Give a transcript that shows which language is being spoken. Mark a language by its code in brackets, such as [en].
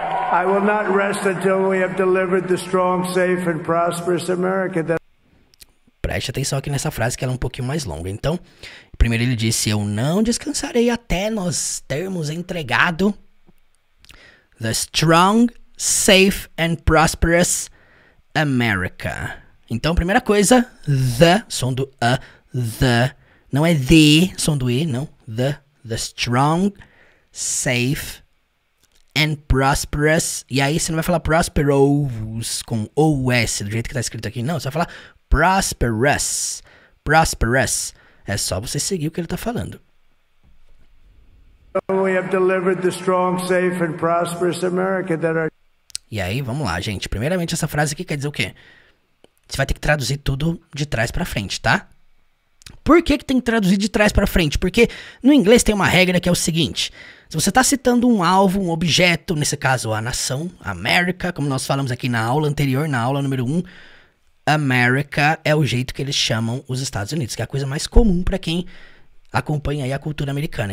[en] I will not rest until we have delivered the strong, safe and prosperous America. [pt] Preste atenção aqui nessa frase que ela é um pouquinho mais longa. Então, primeiro ele disse, eu não descansarei até nós termos entregado [en] the strong, safe and prosperous America. [pt] Então, primeira coisa, the, som do a, the, não é the, som do e, não. [en] The strong, safe and prosperous. [pt] E aí você não vai falar prosperous com O-S, do jeito que tá escrito aqui, não. Você vai falar prosperous, prosperous. É só você seguir o que ele tá falando. [en] We have delivered the strong, safe and prosperous America that are... [pt] E aí, vamos lá, gente. Primeiramente, essa frase aqui quer dizer o quê? Você vai ter que traduzir tudo de trás pra frente, tá? Por que que tem que traduzir de trás pra frente? Porque no inglês tem uma regra que é o seguinte. Se você está citando um alvo, um objeto, nesse caso a nação, America, como nós falamos aqui na aula anterior, na aula número 1, America é o jeito que eles chamam os Estados Unidos, que é a coisa mais comum para quem acompanha aí a cultura americana.